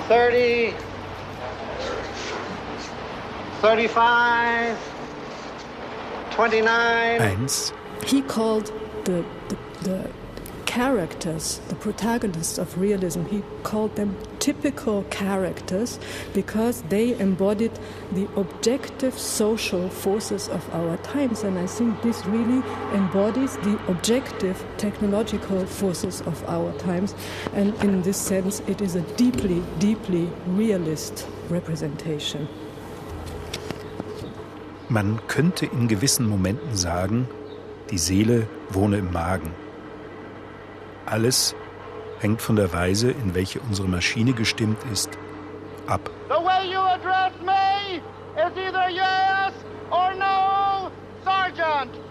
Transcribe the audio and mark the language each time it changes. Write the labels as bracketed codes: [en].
[en] He called the characters, the protagonists of realism, he called them typical characters because they embodied the objective social forces of our times. And I think this really embodies the objective technological forces of our times. And in this sense, it is a deeply, deeply realist representation. [de] Man könnte in gewissen Momenten sagen, die Seele wohne im Magen. Alles hängt von der Weise, in welche unsere Maschine gestimmt ist, ab. [en] The way you address me is either yes or no, Sergeant.